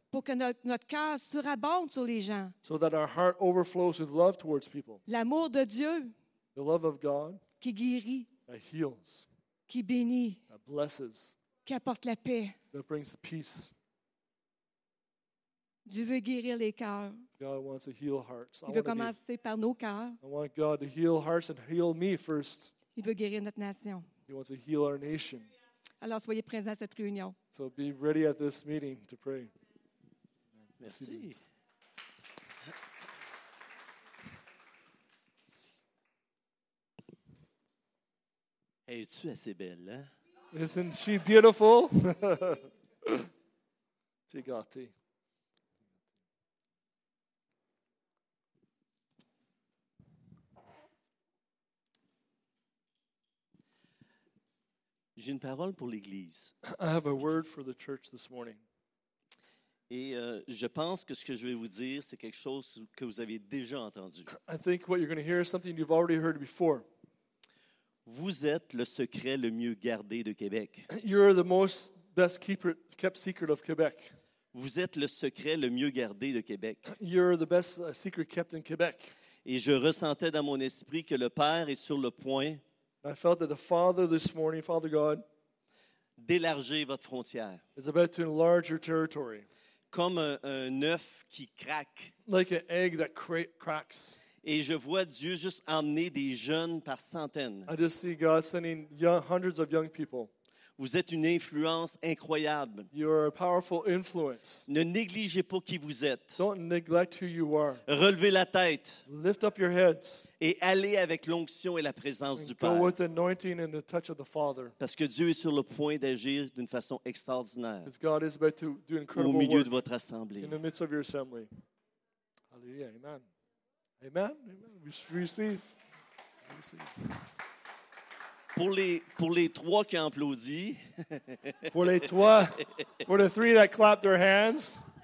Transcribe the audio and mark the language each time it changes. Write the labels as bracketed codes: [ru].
[fr] Pour que notre cœur surabonde sur les gens. [en] So that our heart overflows with love towards people. [fr] L'amour de Dieu. [en] The love of God. [fr] Qui guérit. [en] That heals. [fr] Qui bénit. [en] That blesses. [fr] Qui apporte la paix. [en] That brings the peace. [fr] Dieu veut guérir les cœurs. [en] God wants to heal hearts. [fr] Il veut commencer par nos cœurs. [en] I want God to heal hearts and heal me first. [fr] Il veut guérir notre nation. [en] He wants to heal our nation. [fr] Alors soyez présents à cette réunion. [en] So be ready at this meeting to pray. [fr] Merci. Es-tu assez belle, hein? [en] Isn't she beautiful? [fr] T'es gâté. J'ai une parole pour l'Église. [en] I have a word for the church this morning. [fr] Et je pense que ce que je vais vous dire, c'est quelque chose que vous avez déjà entendu. [en] I think what you're going to hear is something you've already heard before. [fr] Vous êtes le secret le mieux gardé de Québec. [en] You're the most best kept secret of Quebec. [fr] Vous êtes le secret le mieux gardé de Québec. [en] You're the best secret kept in Quebec. [fr] Et je ressentais dans mon esprit que le Père est sur le point. [en] I felt that the Father this morning, Father God, [fr] d'élargir votre frontière. [en] Is about to enlarge your territory. [fr] Comme un œuf qui craque. [en] Like an egg that cracks. [fr] Et je vois Dieu juste emmener des jeunes par centaines. [en] I just see God sending young, hundreds of young people. [fr] Vous êtes une influence incroyable. [en] You are a powerful influence. [fr] Ne négligez pas qui vous êtes. [en] Don't neglect who you are. [fr] Relevez la tête. [en] Lift up your heads. [fr] Et allez avec l'onction et la présence [en] and [fr] du Père. [en] Go with the anointing and the touch of the Father. [fr] Parce que Dieu est sur le point d'agir d'une façon extraordinaire. [en] Because God is about to do incredible [fr] au milieu [en] work [fr] de votre assemblée. [en] In the midst of your assembly. Hallelujah. Amen. Amen. Amen. We receive. We receive. [fr] Pour les trois qui applaudissent. [en] For the three that clapped their hands.